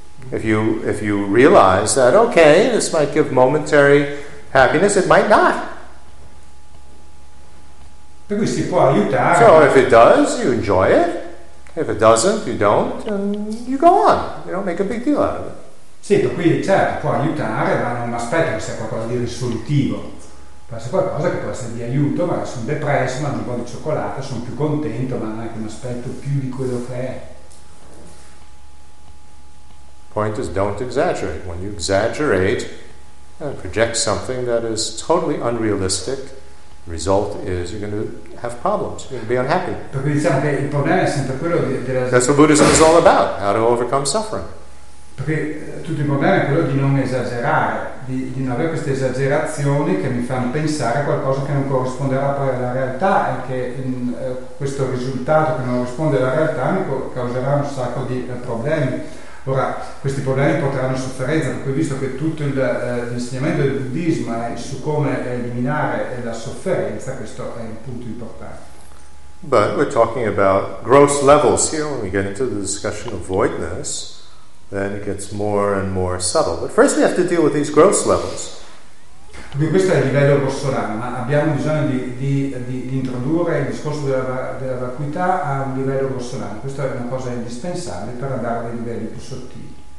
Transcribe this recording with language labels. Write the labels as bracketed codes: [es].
[en] If you realize that, okay, this might give momentary happiness, it might not. [it] Per cui si può aiutare. [en] So if it does, you enjoy it. If it doesn't, you don't, and you go on. You don't make a big deal out of it. [it] Sì, per cui certo può aiutare, ma non mi aspetto che sia qualcosa di risolutivo. Può essere qualcosa che può essere di aiuto, ma sono depresso, mangio un po' di cioccolata, sono più contento, ma non è che mi aspetto più di quello che è. [en] Point is, don't exaggerate. When you exaggerate and project something that is totally unrealistic, result is you're going to have problems, you're going to be unhappy. [it] Perché diciamo che il problema è sempre quello della. [en] That's what Buddhism is all about, how to overcome suffering. [it] Perché tutto il problema è quello di non esagerare, di non avere queste esagerazioni che mi fanno pensare a qualcosa che non corrisponderà poi alla realtà e che questo risultato che non risponde alla realtà mi causerà un sacco di problemi. Ora, questi problemi porteranno sofferenza, per cui visto che tutto l'insegnamento del buddismo è su come eliminare la sofferenza, questo è un punto importante. [en] But we're talking about gross levels here. When we get into the discussion of voidness, then it gets more and more subtle. But first we have to deal with these gross levels. [it] Quindi questo è il livello grossolano, ma abbiamo bisogno di introdurre il discorso della vacuità a un livello grossolano. Questa è una cosa indispensabile per andare dai livelli più sottili.